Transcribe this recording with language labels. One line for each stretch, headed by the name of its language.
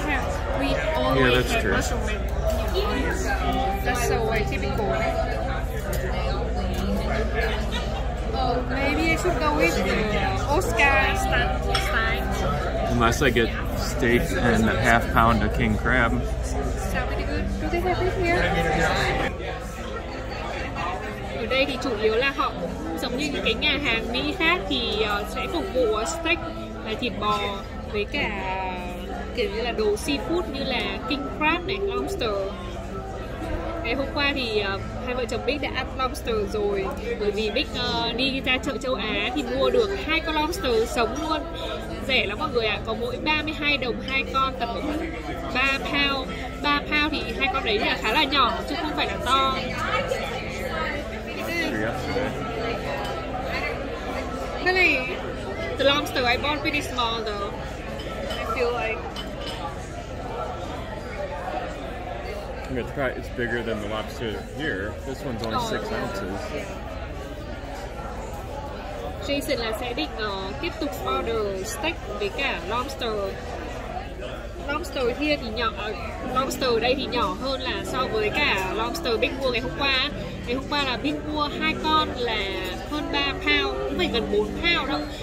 English: yeah, that's have true. Mushroom and onion. That's so typical. Maybe I should go with the Oscar style. Unless I get steak and a half pound of king crab. Sound pretty good. Do they have it here?
Vietnamese: Ở đây thì chủ yếu là họ cũng giống như những cái nhà hàng Mỹ khác thì sẽ phục vụ steak là thịt bò với cả kiểu như là đồ seafood như là king crab này, lobster. Ngày hôm qua thì hai vợ chồng Big đã ăn lobster rồi. Bởi vì Big đi ra chợ châu Á thì mua được hai con lobster sống luôn. Rẻ lắm mọi người ạ, có mỗi 32 đồng hai con, tầm 3 pound. 3 pound thì hai con đấy là khá là nhỏ chứ không phải là to.
English: really, the lobster, I bought pretty small though. I feel like. I'm gonna try it. It's bigger than the lobster here. This one's only 6 ounces.
Vietnamese: Jason là sẽ định tiếp tục order steak với cả lobster. Lobster here thì nhỏ, lobster đây thì nhỏ hơn là so với cả lobster Big Bua ngày hôm qua. Ngày hôm qua là Big Bua hai con là hơn 3 pound, cũng phải gần 4 pound đâu.